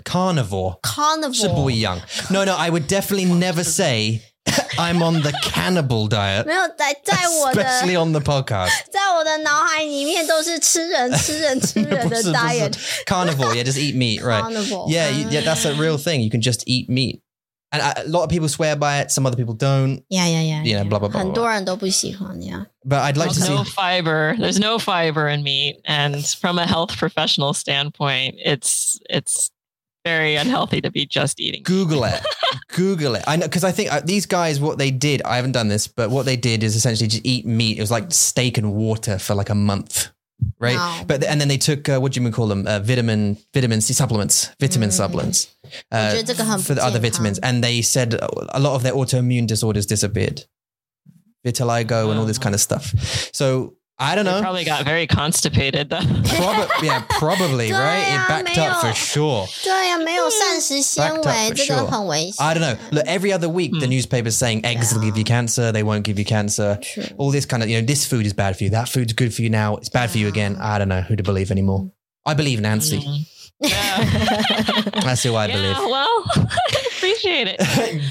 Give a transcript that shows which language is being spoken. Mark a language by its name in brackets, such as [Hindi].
[English] Carnivore，carnivore [Chinese] 是不一样。 [English] No, I would definitely never say I'm on the cannibal diet. [Chinese] 没有在我的 [English] especially on the podcast. [Chinese] 在我的脑海里面都是吃人吃人吃人的diet. [English] Carnivore, yeah, just eat meat, right? Carnivore. Yeah, yeah, that's a real thing. You can just eat meat, and a lot of people swear by it. Some other people don't. Yeah, yeah, yeah. You know, blah blah blah. [Chinese] 很多人都不喜欢, [English] But I'd like to see. No fiber. There's no fiber in meat, and from a health professional standpoint, it's very unhealthy to be just eating. Google it. Google it. I know, because I think these guys, what they did, I haven't done this, but what they did is essentially just eat meat. It was like steak and water for like a month. right? Wow. But and then they took vitamin supplements. For the other vitamins, and they said a lot of their autoimmune disorders disappeared, vitiligo and all this kind of stuff. So I don't know. They probably got very constipated though. Probably, right? It backed up for sure. [Chinese] 对啊，没有膳食纤维，这个很危险。 [English] I don't know. Look, every other week, the newspaper's saying eggs will give you cancer. They won't give you cancer. True. All this kind of, you know, this food is bad for you. That food's good for you now. It's bad for you again. I don't know who to believe anymore. I believe Nancy. Yeah. That's who I believe. Well, appreciate it.